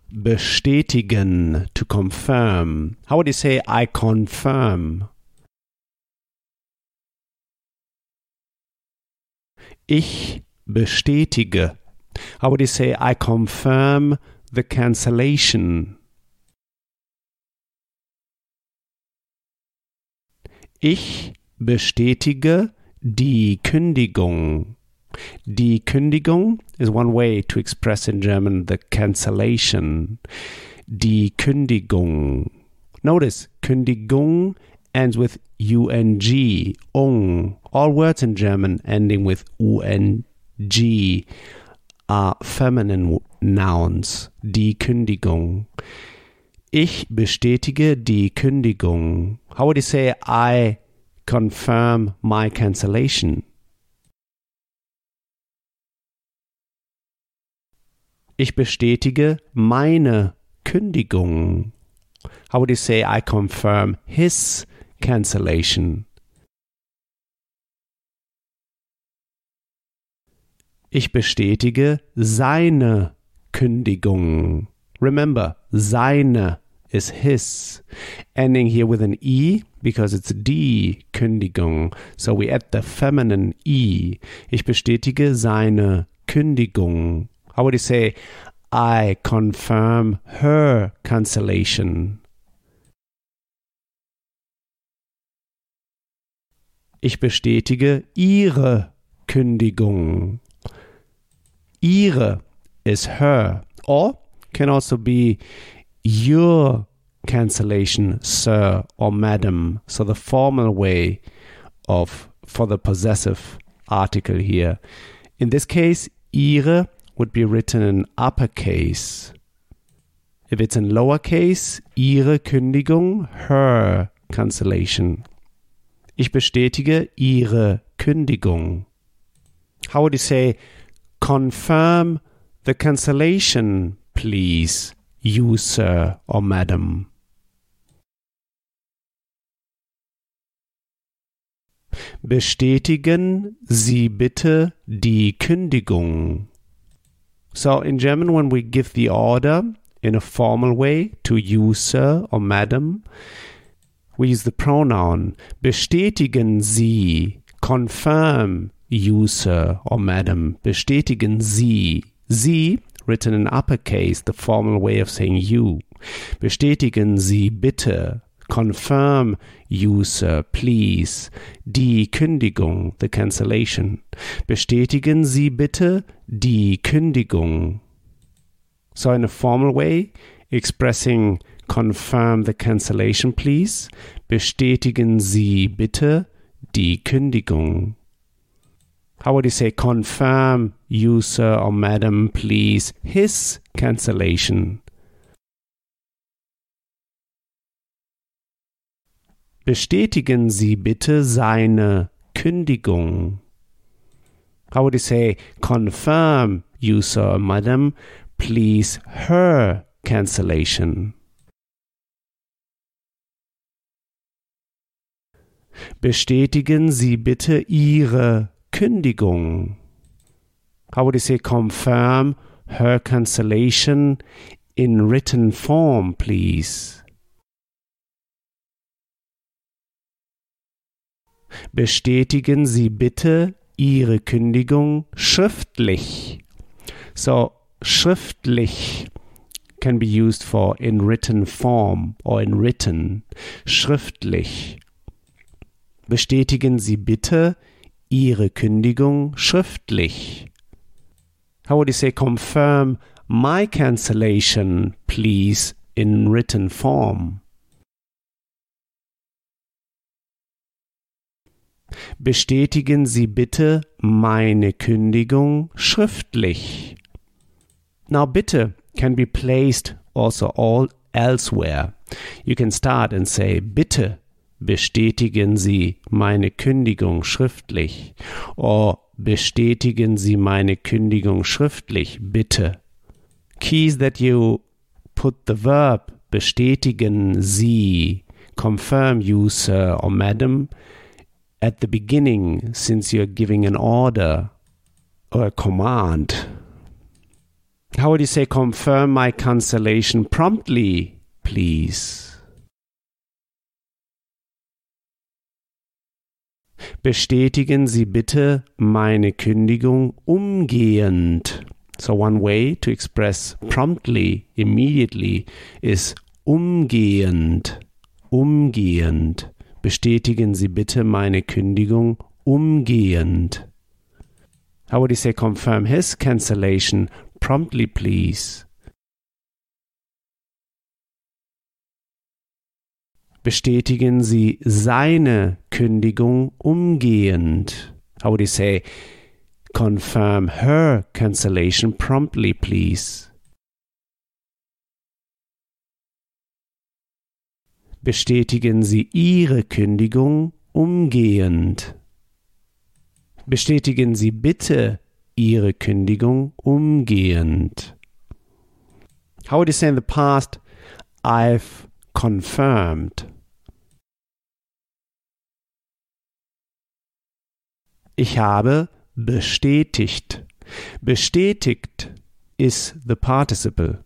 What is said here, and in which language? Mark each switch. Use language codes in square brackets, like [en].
[en] Bestätigen, to confirm. How would you say, I confirm? [de] Ich bestätige. [en] How would you say, I confirm the cancellation? [de] Ich bestätige die Kündigung. Die Kündigung [en] is one way to express in German the cancellation. [de] Die Kündigung. [en] Notice, Kündigung ends with ung, ung. All words in German ending with ung are feminine nouns. [de] Die Kündigung. Ich bestätige die Kündigung. [en] How would you say, I confirm my cancellation? [de] Ich bestätige meine Kündigung. [en] How would you say, I confirm his cancellation? [de] Ich bestätige seine Kündigung. [en] Remember, seine is his, ending here with an E because it's [de] die Kündigung. [en] So we add the feminine E. [de] Ich bestätige seine Kündigung. [en] How would you say, I confirm her cancellation? [de] Ich bestätige ihre Kündigung. [en] Ihre is her, or can also be your cancellation, sir or madam. So the formal way of for the possessive article here. In this case, ihre would be written in uppercase. If it's in lowercase, [de] ihre Kündigung, [en] her cancellation. [de] Ich bestätige ihre Kündigung. [en] How would you say, confirm the cancellation, please, you sir or madam? [de] Bestätigen Sie bitte die Kündigung. [en] So in German, when we give the order in a formal way to you, sir, or madam, we use the pronoun [de] bestätigen Sie, [en] confirm you, sir, or madam. [de] Bestätigen Sie. [en] Sie, written in uppercase, the formal way of saying you. [de] Bestätigen Sie bitte, [en] confirm you, sir, please, [de] die Kündigung, [en] the cancellation. [de] Bestätigen Sie bitte die Kündigung. [en] So in a formal way, expressing confirm the cancellation, please. [de] Bestätigen Sie bitte die Kündigung. [en] How would you say, confirm you, sir or madam, please, his cancellation? [de] Bestätigen Sie bitte seine Kündigung. [en] How would you say, confirm, you sir, madam, please, her cancellation. [de] Bestätigen Sie bitte Ihre Kündigung. [en] How would you say, confirm her cancellation in written form, please. [de] Bestätigen Sie bitte Ihre Kündigung schriftlich. [en] So, schriftlich can be used for in written form or in written. [de] Schriftlich. Bestätigen Sie bitte Ihre Kündigung schriftlich. [en] How would you say, confirm my cancellation, please, in written form? [de] Bestätigen Sie bitte meine Kündigung schriftlich. [en] Now, bitte can be placed also all elsewhere. You can start and say, [de] bitte bestätigen Sie meine Kündigung schriftlich. Or bestätigen Sie meine Kündigung schriftlich, bitte. [en] Key is that you put the verb [de] bestätigen Sie, [en] confirm you, sir or madam, at the beginning, since you're giving an order or a command. How would you say confirm my cancellation promptly, please? [de] Bestätigen Sie bitte meine Kündigung umgehend. [en] So one way to express promptly, immediately, is umgehend. [de] Umgehend. Bestätigen Sie bitte meine Kündigung umgehend. [en] How would you say confirm his cancellation promptly, please? [de] Bestätigen Sie seine Kündigung umgehend. [en] How would you say confirm her cancellation promptly, please? [de] Bestätigen Sie Ihre Kündigung umgehend. Bestätigen Sie bitte Ihre Kündigung umgehend. [en] How would you say in the past, I've confirmed? [de] Ich habe bestätigt. Bestätigt [en] is the participle.